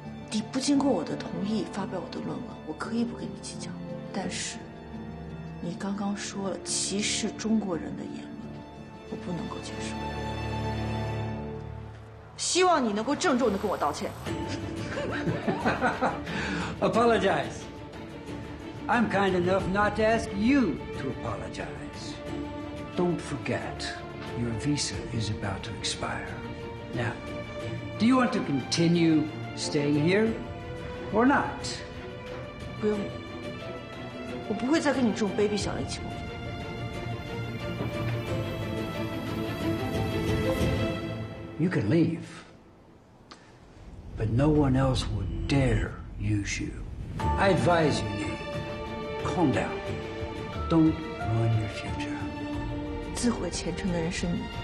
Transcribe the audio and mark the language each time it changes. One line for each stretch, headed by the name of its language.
Chinese: 你不经过我的同意发表我的论文，我可以不跟你计较。但是，你刚刚说了歧视中国人的言论，我不能够接受。希望你能够郑重地跟我道歉。
English: Apologize. I'm kind enough not to ask you to apologize. Don't forget, your visa is about to expire. Now, do you want to continue staying here or not?
Chinese: 不用，我不会再跟你这种卑鄙小人一起工作。
English: You can leave, but no one else would dare use you. I advise you, Nate, calm down. Don't ruin your future.
Chinese: 自毁前程的人是你。